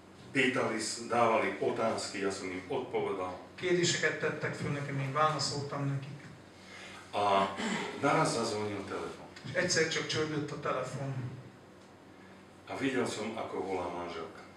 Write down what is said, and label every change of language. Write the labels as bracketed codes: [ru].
[sk] Pýtali, dávali otázky, ja som im odpovedal. [hu] Kérdéseket tettek föl nekem, én válaszoltam nekik. [sk] A naraz zazvonil telefon. [hu] És egyszer csak csörgött a telefon. [sk] A viděl jsem, ako volá manželka.